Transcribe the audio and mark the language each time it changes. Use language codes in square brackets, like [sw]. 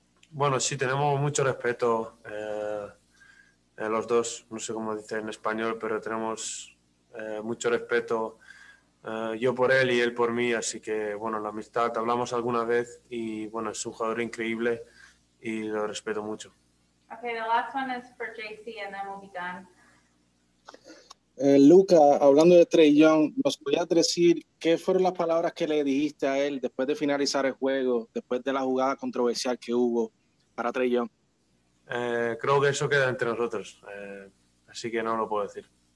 [es] Bueno, sí, tenemos mucho respeto los dos, no sé cómo dice en español, pero tenemos mucho respeto yo por él y él por mí, así que, bueno, la amistad, hablamos alguna vez y, bueno, es un jugador increíble y lo respeto mucho. [en] Ok, the last one is for JC and then we'll be done. [es] Luca, hablando de Trae Young, ¿nos podías decir qué fueron las palabras que le dijiste a él después de finalizar el juego, después de la jugada controversial que hubo para Trae Young? Creo que eso queda entre nosotros, así que no lo puedo decir.